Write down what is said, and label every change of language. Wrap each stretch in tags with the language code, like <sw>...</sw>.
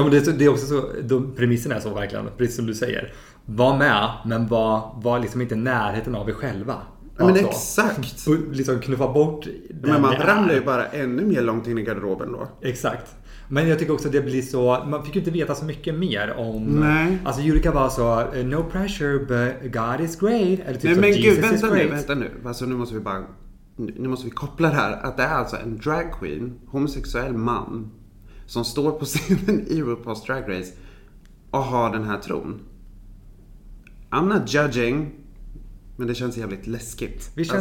<sv>Ja, men det är också så, premissen är så verkligen, precis som du säger. Var med, men var liksom inte närheten av er själva. Alltså, men exakt. Liksom knuffa bort. Men man ramlar ju bara ännu mer långt in i garderoben då. Exakt. Men jag tycker också att det blir så... Man fick ju inte veta så mycket mer om... Nej. Alltså Eurika var så...</sv> <en>No pressure, but God is great.</en> <sv>Eller typ, nej, så, men Jesus, gud, vänta nu. Alltså nu måste vi bara... Nu måste vi koppla det här. Att det är alltså en drag queen, homosexuell man, som står på scenen i RuPaul's Drag Race och har den här tron.</sv> <en>I'm not judging,</en> <sv>men det känns jävligt läskigt.</sv>